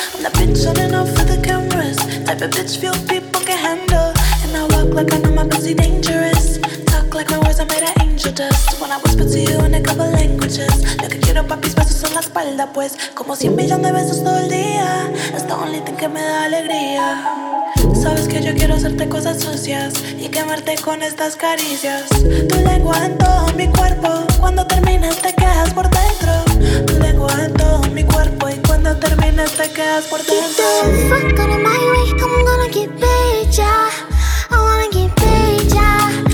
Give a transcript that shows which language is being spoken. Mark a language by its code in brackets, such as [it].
[en] I'm that bitch on and off of the cameras. Type of bitch few people can handle. And I walk like I know my pussy dangerous. Talk like my words are made of angel dust. When I whisper to you in a couple languages. [es] Lo que quiero pa' mis besos en la espalda pues. Como 100 millones de besos todo el día. [en] It's the only thing [es] que me da alegría. Sabes que yo quiero hacerte cosas sucias y quemarte con estas caricias. Tu lengua en todo mi cuerpo, cuando terminas te quedas por dentro. Tu lengua en todo mi cuerpo y cuando terminas te quedas por dentro. [en] Get the fuck out of my way, I'm gonna get paid, yeah. I wanna get paid, yeah.